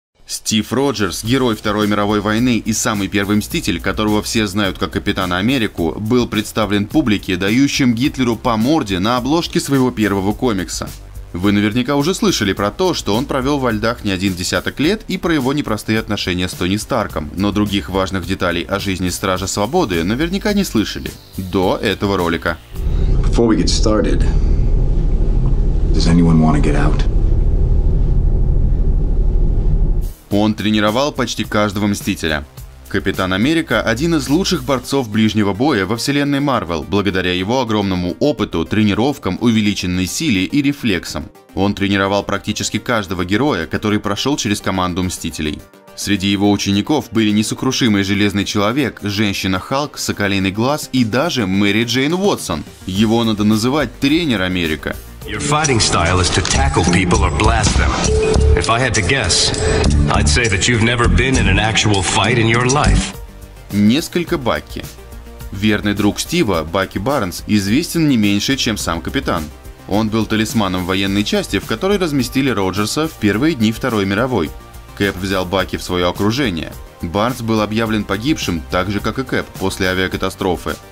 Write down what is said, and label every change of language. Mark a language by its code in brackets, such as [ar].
[ru] Стив Роджерс, герой Второй мировой войны и самый первый мститель, которого все знают как Капитана Америку, был представлен публике, дающим Гитлеру по морде на обложке своего первого комикса. Вы наверняка уже слышали про то, что он провел во льдах не один десяток лет, и про его непростые отношения с Тони Старком, но других важных деталей о жизни Стража Свободы наверняка не слышали до этого ролика. [en] Before we get started, does anyone want to get out? [ru] Он тренировал почти каждого Мстителя. Капитан Америка – один из лучших борцов ближнего боя во вселенной Марвел, благодаря его огромному опыту, тренировкам, увеличенной силе и рефлексам. Он тренировал практически каждого героя, который прошел через команду Мстителей. Среди его учеников были несокрушимый Железный Человек, Женщина-Халк, Соколиный Глаз и даже Мэри Джейн Уотсон. Его надо называть «Тренер Америка». [en] Your fighting style is to tackle people or blast them. If I had to guess, I'd say that you've never been in an actual fight in your life. [ru] Несколько Баки. Верный друг Стива, Баки Барнс, известен не меньше, чем сам капитан. Он был талисманом военной части, в которой разместили Роджерса в первые дни Второй мировой. Кэп взял Баки в свое окружение. Барнс был объявлен погибшим, так же как и Кэп, после авиакатастрофы.